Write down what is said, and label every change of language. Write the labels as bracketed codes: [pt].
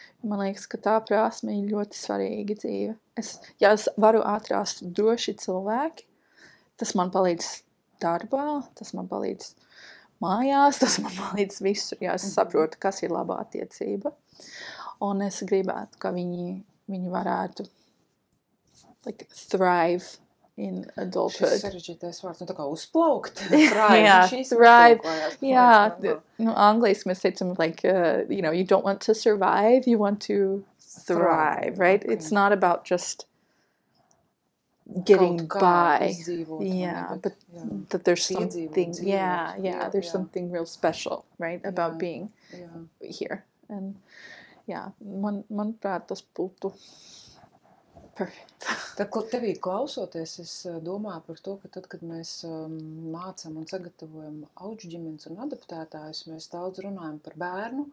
[lv] Man liekas, ka tā prasme ir ļoti svarīga dzīve. Es varu atrast droši cilvēki, tas man palīdz darbā, tas man palīdz mājās, tas man palīdz visur, ja es saprotu, kas ir labā attiecība. Un es gribētu, ka viņi varētu [en] like thrive in adulthood. [lv] Šis sarežģītais vārds, nu tā kā uzplaukt. Jā, thrive. Jā, nu angliski mēs teicam [en] like, you know, you don't want to survive, you want to thrive, right? Okay. It's not about just getting by. [lv] Izdzīvot, [en] yeah, mani, but yeah. That there's something, yeah, yeah, yeah, there's yeah. Something real special, right, about yeah. Being yeah. Here. And yeah, [lv] man prāt, tas būtu perfect. Tad, ko tevī klausoties, es domāju par to, ka tad, kad mēs mācam un sagatavojam auģu ģimenes un adaptētājus, mēs daudz runājam par bērnu